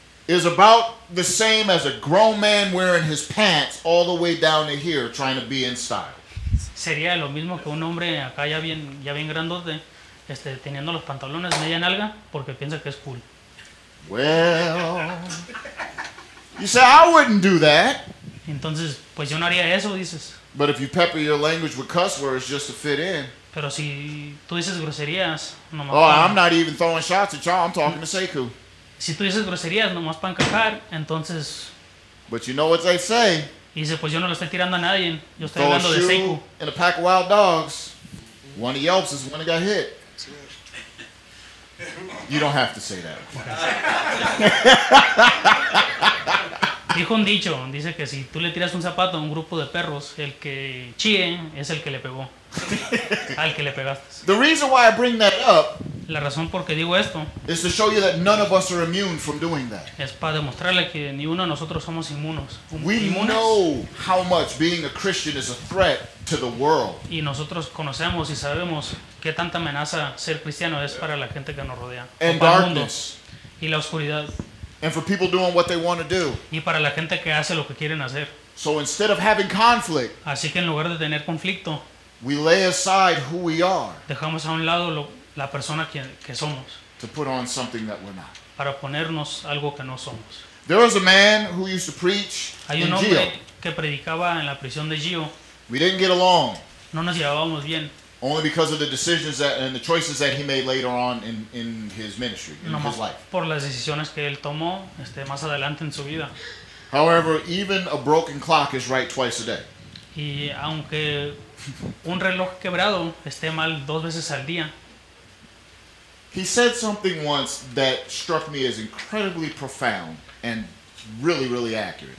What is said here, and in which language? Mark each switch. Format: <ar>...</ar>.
<en>Is about the same as a grown man wearing his pants all the way down to here trying to be in style.</en> <es>Sería lo mismo que un hombre acá ya bien grandote, teniendo los pantalones media nalga porque piensa que es cool.</es> <en>Well. You say I wouldn't do that.</en> <es>Entonces, pues yo no haría eso, dices.</es> <en>But if you pepper your language with cuss words just to fit in.</en> <es>Pero si tú dices groserías, nomás.</es> <en>Oh, I'm not even throwing shots at y'all. I'm talking to Sekou.</en> <es>Si tú dices groserías, nomás para encajar, entonces.</es> <en>But you know what they say.</en> <es>Dice, pues yo no lo estoy tirando a nadie. Yo estoy hablando de Sekou.</es> <en>In a pack of wild dogs, one of yelps is one that got hit. You don't have to say that.</en> <es>Dijo un dicho, dice que si tú le tiras un zapato a un grupo de perros, el que chíe es el que le pegó, al que le pegaste.</es> <en>The reason why I bring that up,</en> <es>la razón por qué digo esto,</es> <en>is to show you that none of us are immune from doing that.</en> <es>Es para demostrarle que ni uno de nosotros somos inmunes.</es> <en>We know how much being a Christian is a threat to the world.</en> <es>Y nosotros conocemos y sabemos qué tanta amenaza ser cristiano es para la gente que nos rodea.</es> <en>And darkness.</en> <es>Y la oscuridad.</es> <en>And for people doing what they want to do.</en> <es>Y para la gente que hace lo que quieren hacer.</es> <en>So instead of having conflict.</en> <es>Así que en lugar de tener conflicto.</es> <en>We lay aside who we are.</en> <es>Dejamos a un lado la persona que somos.</es> <en>To put on something that we're not.</en> <es>Para ponernos algo que no somos.</es> <en>There was a man who used to preach in Gio.</en> <es>Que predicaba en la prisión de Gio.</es> <en>We didn't get along.</en> <es>No nos llevábamos bien.</es> <en>Only because of the decisions that and the choices that he made later on in his ministry, in his life.</en> <es>Por las decisiones que él tomó, más adelante en su vida.</es> <en>However, even a broken clock is right twice a day.</en> <es>Y aunque un reloj quebrado esté mal dos veces al día.</es> <en>He said something once that struck me as incredibly profound and really, really accurate.</en>